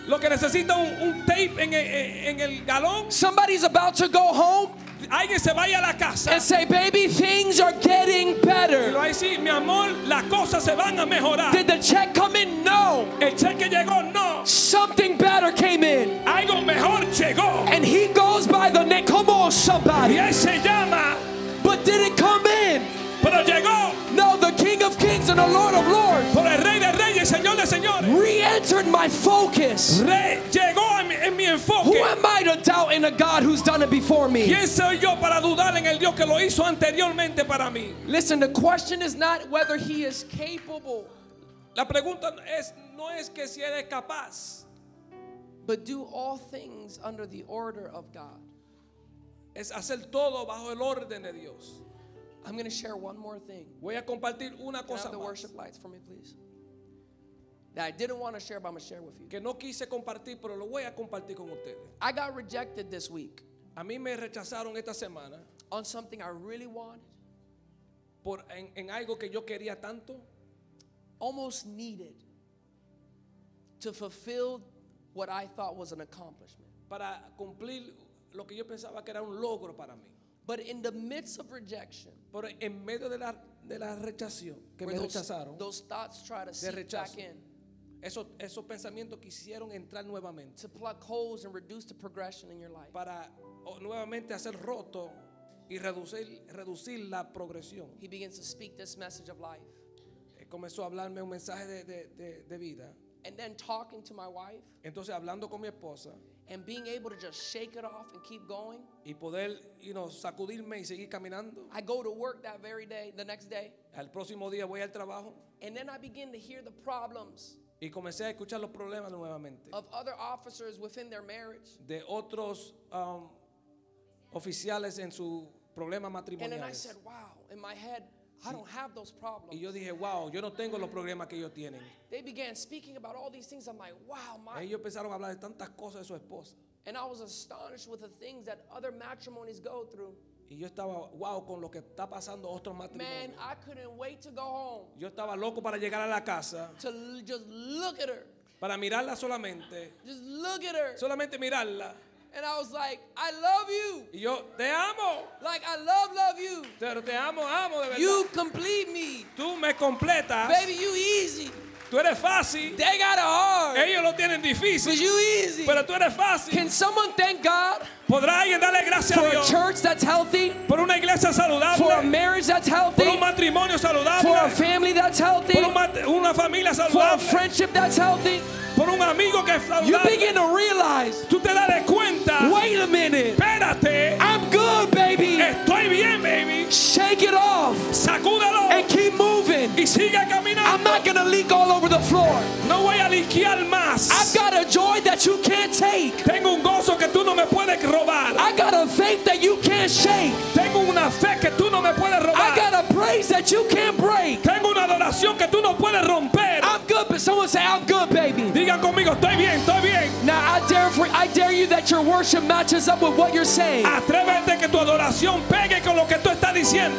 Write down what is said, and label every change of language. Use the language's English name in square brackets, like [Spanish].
[Spanish] Lo que necesita un tape en el galón. [English] Somebody's about to go home. [Spanish] Alguien se vaya a la casa. [English] And say, baby, things are getting better. [Spanish] Y sí, mi amor, las cosas se van a mejorar. [English] Did the check come in? No. [Spanish] El cheque llegó, no. [English] Something better came in. [Spanish] Algo mejor llegó. [English] And he goes by the name. Come on, somebody. [Spanish] Y él se llama. [English] But did it come in? [Spanish] Pero llegó. [English] No, the King of Kings and the Lord of Lords. [Spanish] Por el Rey de Reyes, Señor de Señores. [English] Re-entered my focus. [Spanish] Llegó en mi enfoque. [English] Who am I to doubt in a God who's done it before me? [Spanish] ¿Quién soy yo para dudar en el Dios que lo hizo anteriormente para mí? [English] Listen, the question is not whether he is capable. [Spanish] La pregunta es, no es que si eres capaz. [English] But do all things under the order of God. [Spanish] Es hacer todo bajo el orden de Dios. [English] I'm going to share one more thing. [Spanish] Voy a compartir una [English] Can [Spanish] cosa [English] I have the [Spanish] más. [English] Worship lights for me, please? That I didn't want to share, but I'm going to share with you. [Spanish] Que no quise compartir, pero lo voy a compartir con ustedes. [English] I got rejected this week. [Spanish] A mí me rechazaron esta semana. [English] On something I really wanted. [Spanish] Por en algo que yo quería tanto. [English] Almost needed. To fulfill what I thought was an accomplishment. [Spanish] Para cumplir lo que yo pensaba que era un logro para mí. [English] But in the midst of rejection, [Spanish] pero en medio de la rechazo, que me rechazaron, [English] those thoughts try to seep back in. [Spanish] Esos pensamientos quisieron entrar nuevamente. [English] To pluck holes and reduce the progression in your life. [Spanish] Para nuevamente hacer roto y reducir la progresión. [English] He begins to speak this message of life. [Spanish] Comenzó a hablarme un mensaje de vida. [English] And then talking to my wife. [Spanish] Entonces hablando con mi esposa. [English] And being able to just shake it off and keep going. [Spanish] Y poder, you know, sacudirme y seguir caminando. [English] I go to work that very day, the next day. [Spanish] Al próximo día voy al trabajo. [English] And then I begin to hear the problems. [Spanish] Y comencé a escuchar los problemas nuevamente. [English] Of other officers within their marriage. [Spanish] De otros oficiales en su problema matrimonial. [English] And then I said, wow, in my head, I don't have those problems. [Spanish] Y yo dije, wow, yo no tengo los problemas que ellos tienen. [English] They began speaking about all these things. I'm like, wow, my. [Spanish] Ellos empezaron a hablar de tantas cosas de su esposa. [English] And I was astonished with the things that other matrimonies go through. [Spanish] Y yo estaba, wow, con lo que está pasando otros matrimonios. [English] Man, I couldn't wait to go home. [Spanish] Yo estaba loco para llegar a la casa. [English] To just look at her. [Spanish] Para mirarla solamente. [English] Just look at her. [Spanish] Solamente mirarla. [English] And I was like, I love you. [Spanish] Yo te amo. [English] Like I love you. [Spanish] Pero te amo de verdad. [English] You complete me. [Spanish] Tú me completas. [English] Baby, you easy. [Spanish] Tú eres fácil. [English] They got it hard. [Spanish] Ellos lo tienen difícil. [English] But you easy. [Spanish] Pero tú eres fácil. [English] Can someone thank God? [Spanish] ¿Podrá alguien darle gracias a Dios? [English] For a church that's healthy. [Spanish] Por una iglesia saludable. [English] For a marriage that's healthy. [Spanish] Por un matrimonio saludable. [English] For a family that's healthy. [Spanish] Por una familia saludable. [English] For a friendship that's healthy. [Spanish] Por un amigo que es saludable. [English] You begin to realize. [Spanish] Tú te das cuenta. [English] Wait a minute. [Spanish] Espérate. [English] I'm good, baby. [Spanish] Estoy bien, baby. [English] Shake it off. [Spanish] Sacúdalo. [English] And keep moving. [Spanish] Y sigue caminando. [English] I'm not going to leak all over the floor. [Spanish] No voy a liquear más. [English] I've got a joy that you can't take. [Spanish] Tengo un gozo que tú no me puedes robar. [English] I got a faith that you can't shake. [Spanish] Tengo una fe que tú no me puedes robar. [English] I got a praise that you can't break. [Spanish] Tengo una adoración que tú no puedes romper. [English] I'm good, but someone say, I'm good, baby. [Spanish] Digan conmigo, estoy bien. [English] Now I dare you that your worship matches up with what you're saying. [Spanish] Atrévete que tu adoración pegue con lo que tú estás diciendo.